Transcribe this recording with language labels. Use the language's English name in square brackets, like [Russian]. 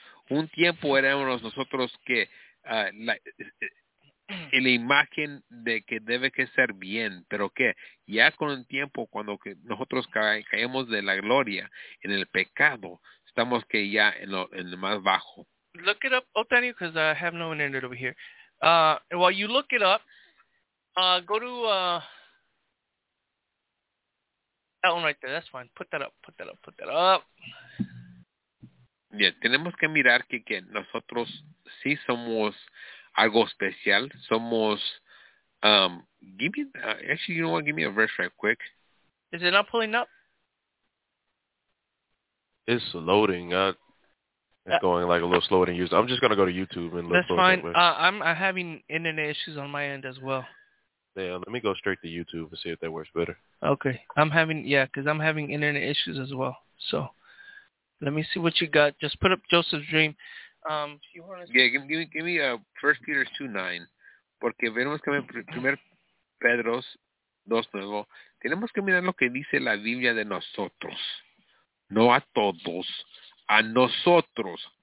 [Spanish] Un tiempo éramos nosotros que la imagen de que debe que ser bien, pero que ya con el tiempo, cuando que nosotros caemos de la gloria en el pecado, estamos que ya en lo más bajo. [English] Look it up, Otani, because I have no internet over here. While you look it up, go to that one right there. That's fine. Put that up. [Spanish] Bien, tenemos que mirar que nosotros sí somos algo especial, somos, [English] give me a verse right quick. Is it not pulling up? It's loading, it's going like a little slower than usual. I'm just going to go to YouTube and look. That's fine, I'm having internet issues on my end as well. Yeah, let me go straight to YouTube and see if that works better. Okay, because I'm having internet issues as well, so let me see what you got. Just put up Joseph's Dream. Give me 1 Peter 2:9, [Spanish] porque vemos que en primer Pedro 2:9 tenemos que mirar lo que dice la Biblia de nosotros, no a todos, a nosotros,